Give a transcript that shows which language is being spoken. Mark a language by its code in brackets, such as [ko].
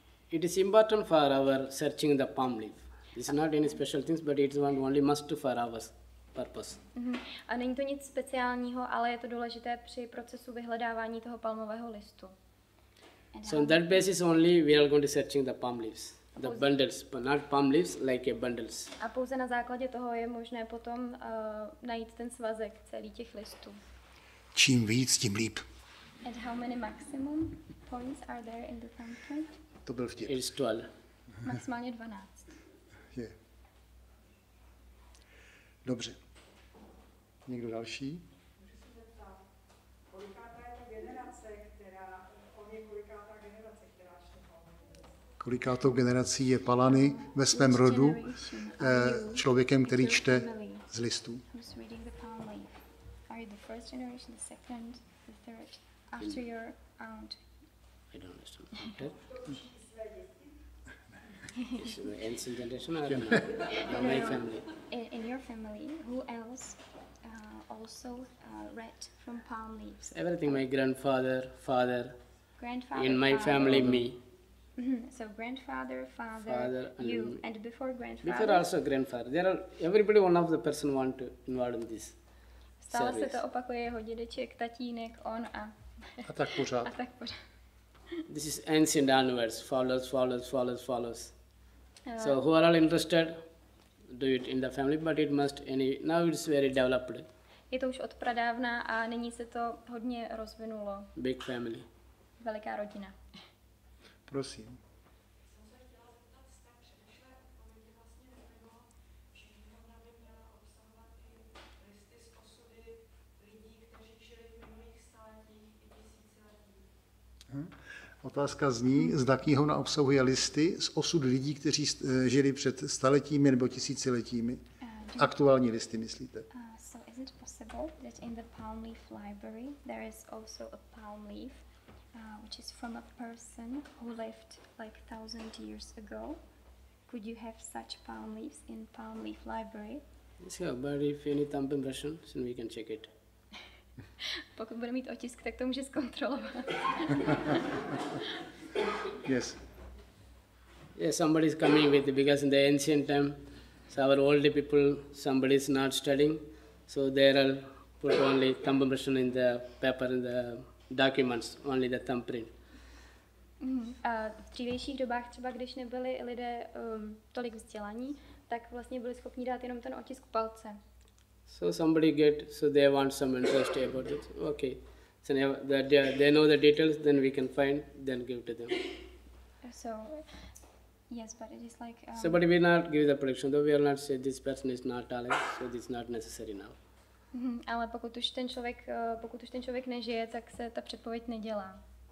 [en] It is important for our searching the palm leaf. This is not any special things, but it is one only must for our purpose. Mm-hmm. [cs] A není to nic speciálního, ale je to důležité při procesu vyhledávání toho palmového listu. [en] And so on that basis only we are going to searching the palm leaves, the bundles, but not palm leaves like a bundles. [cs] A pouze na základě toho je možné potom najít ten svazek celý těch listů. Čím víc, tím líp. [en] And how many maximum points are there in the thumbprint? [cs] To byl vtip. [en] It's 12. [cs] Maximálně 12. Je. Dobře. Někdo další? Můžu se zeptat, kolikátá je ta generace, která, on je kolikátá generace, která čte palany? Kolikátou generací je palany ve svém rodu člověkem, který čte z listů? [en] Who's reading the palm leaf? Are you the first generation, the second, the third? After your aunt. I don't understand. Is it the ancient generation or not? My family. In your family, who else also read from palm leaves? Everything, my grandfather, father. Grandfather, in my father. Family, me. So grandfather, father, and you, and before grandfather. Before also grandfather. There are everybody one of the person want to involve in this. [cs] Stále se to opakuje, jeho dědeček, tatínek, on a. A tak pořád. A tak pořád. [en] This is ancient universe. Follows. So who are all interested? Do it in the family, but it must any. Now it's very developed. [cs] Je to už od pradávna a nyní se to hodně rozvinulo. [en] Big family. [cs] Veliká rodina. Prosím. Otázka zní, zda knihovna obsahuje listy z osud lidí, kteří žili před staletími nebo tisíciletími. Aktuální listy, myslíte? [en] So is it possible that in the palm leaf library there is also a palm leaf which is from a person who lived like 1000 years ago? Could you have such palm leaves in palm leaf library? So, but if any thumb impression, then we can check it. [cs] Pokud bude mít otisk, tak to může zkontrolovat. [en] Yes. Yes, somebody is coming with it, because in the ancient time, so our old people, somebody is not studying, so they are put only thumb impression in the paper, in the documents, only the thumbprint. Mm-hmm. [cs] A v dřívejších dobách třeba, když nebyli lidé tolik vzdělaní, tak vlastně byli schopni dát jenom ten otisk palce. [en] So somebody get, so they want some interest about it. Okay, so they know the details, then we can find, then give to them. So, yes, but it is like... So, but we not give the prediction, though we will not say this person is not talent, so this is not necessary now. [cs] Ale pokud už ten člověk nežije, tak se ta předpověď nedělá.